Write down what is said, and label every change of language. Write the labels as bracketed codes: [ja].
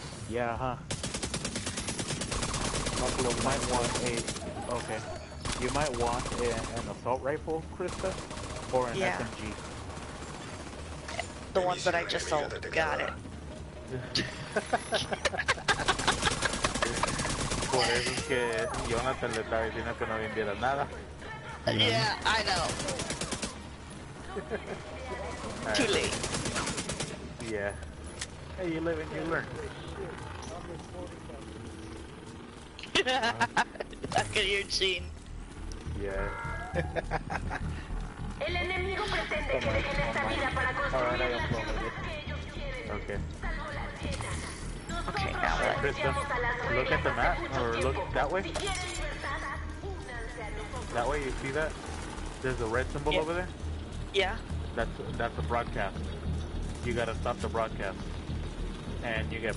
[en] Yeah, huh? Buffalo might want a, okay, you might want an assault rifle, Krista, or an SMG. The one that I just sold, got it. [es] Por eso es que Jonathan le está diciendo que no vendiera nada. [en] Yeah, I know. Too late. Yeah. Hey, you live and you learn. Look at your gene. Yeah. [es] El enemigo pretende que dejen esta vida para construir un [en] Okay, now what? Kristen, look at the map, or look that way. That way, you see that? There's a red symbol over there? Yeah. That's a broadcast. You gotta stop the broadcast. And you get